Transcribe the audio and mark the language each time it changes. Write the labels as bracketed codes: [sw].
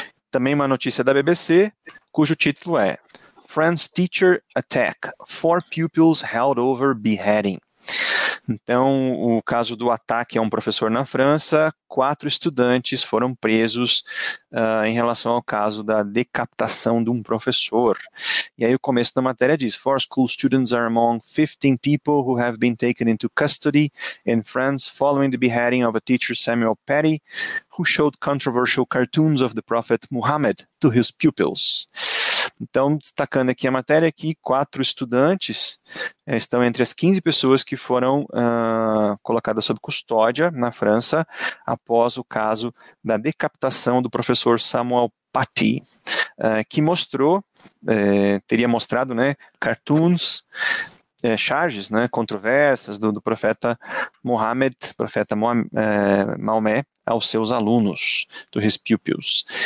[pt] Também uma notícia da BBC, cujo título é [en] France Teacher Attack, 4 Pupils Held Over Beheading. [pt] Então, o caso do ataque a um professor na França, 4 estudantes foram presos em relação ao caso da decapitação de um professor. E aí o começo da matéria diz, [en] 4 school students are among 15 people who have been taken into custody in France following the beheading of a teacher Samuel Paty, who showed controversial cartoons of the prophet Muhammad to his pupils. [pt] Então, destacando aqui a matéria, que 4 estudantes estão entre as 15 pessoas que foram colocadas sob custódia na França após o caso da decapitação do professor Samuel Paty, que mostrou, teria mostrado, né, cartoons, charges, né, controversas do profeta Mohammed, profeta Maomé, aos seus alunos, dos [en] his pupils.